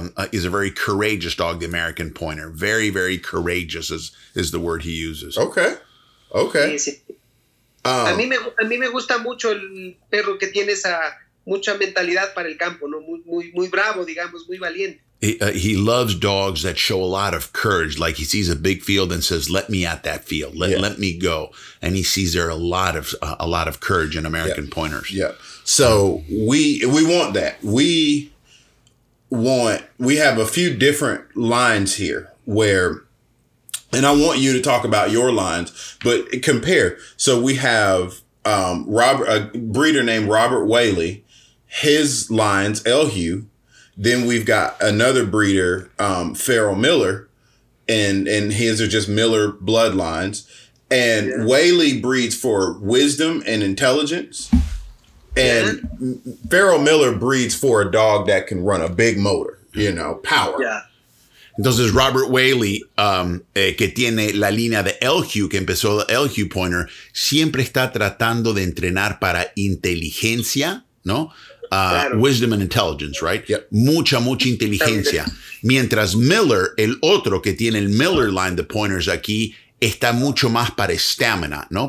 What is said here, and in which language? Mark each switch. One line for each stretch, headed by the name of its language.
English: He's a very courageous dog, the American pointer. Very, very courageous is the word he uses. Okay. Okay.
Spanish: A mí me gusta mucho el perro que tiene esa mucha mentalidad para el campo, ¿no? Muy, muy, muy bravo, digamos, muy valiente.
English: He loves dogs that show a lot of courage. Like he sees a big field and says, let me at that field. Let me go. And he sees there a lot of courage in American pointers. Yeah. So we want that. We have a few different lines here where, and I want you to talk about your lines, but compare. So we have a breeder named Robert Whaley, his lines, Elhu. Then we've got another breeder, Farrell Miller, and his are just Miller bloodlines. And yeah. Whaley breeds for wisdom and intelligence. And Pharrell Miller breeds for a dog that can run a big motor, you know, power. Yeah.
Spanish: Entonces, Robert Whaley, que tiene la línea de Elhew, que empezó el Elhew Pointer, siempre está tratando de entrenar para inteligencia, ¿no? Claro.
English: Wisdom and intelligence, right? Yep.
Spanish: Mucha, mucha inteligencia. Mientras Miller, el otro que tiene el Miller line de pointers aquí, está mucho más para stamina, ¿no?